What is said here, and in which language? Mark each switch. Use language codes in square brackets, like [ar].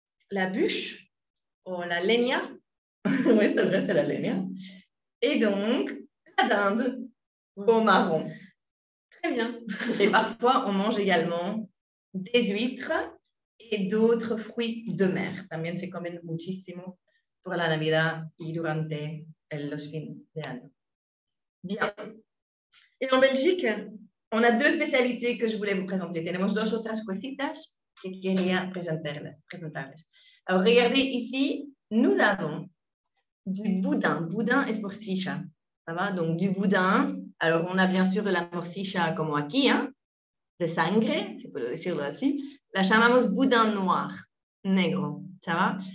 [fr] La bûche, oh, la lenia. Oui, c'est vrai, c'est la lenia. Et donc, la dinde au marron. Très bien. Et parfois, on mange également des huîtres et d'autres fruits de mer. [es] También se comen muchísimo pour la Navidad y durante los fines de año. [fr] Bien. Et en Belgique, on a deux spécialités que je voulais vous présenter. [es] Tenemos dos otras cositas que quería presentarles. [fr] Alors, regardez ici, nous avons du boudin. [es] Boudin es morcilla. [fr] Ça va? Donc, du boudin. Alors, on a bien sûr de la morcilla comme aquí, hein? [es] De sangre, [fr] si vous pouvez dire ainsi. [es] La llamamos [fr] boudin noir, negro. Ça va?